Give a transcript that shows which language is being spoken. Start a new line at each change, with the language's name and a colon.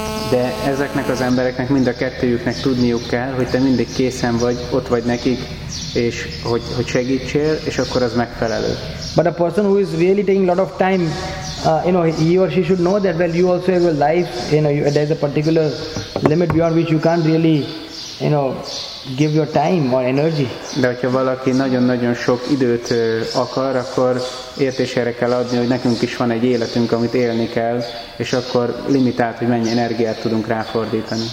Hungarian: De ezeknek az embereknek, mind a kettőjüknek tudniuk kell, hogy te mindig készen vagy, ott vagy nekik, és hogy segítsél, és akkor az megfelelő.
English: But a person who is really taking a lot of time, he or she should know that, well, you also have a life, there is a particular limit beyond which you can't really, you know, give your time or energy.
Hungarian: De hogyha valaki nagyon-nagyon sok időt akar, akkor értésére kell adni, hogy nekünk is van egy életünk, amit élni kell, és akkor limitált, hogy mennyi energiát tudunk ráfordítani.